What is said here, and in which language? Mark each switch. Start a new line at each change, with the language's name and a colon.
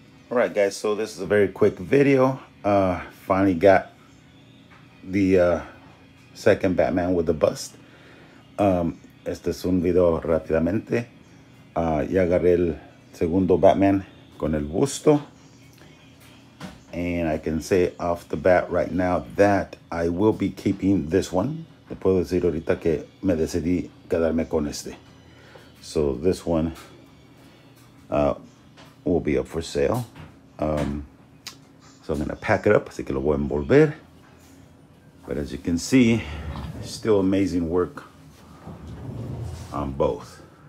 English: All right, guys, so this is a very quick video. Finally got the second Batman with the bust.
Spanish: Este es un video rápidamente. Ya agarré el segundo Batman con el busto.
English: And I can say off the bat right now that I will be keeping this one.
Spanish: Le puedo decir ahorita que me decidí quedarme con este.
English: So this one will be up for sale. So I'm going to pack it up.
Spanish: Así que lo voy a envolver.
English: But as you can see, still amazing work on both.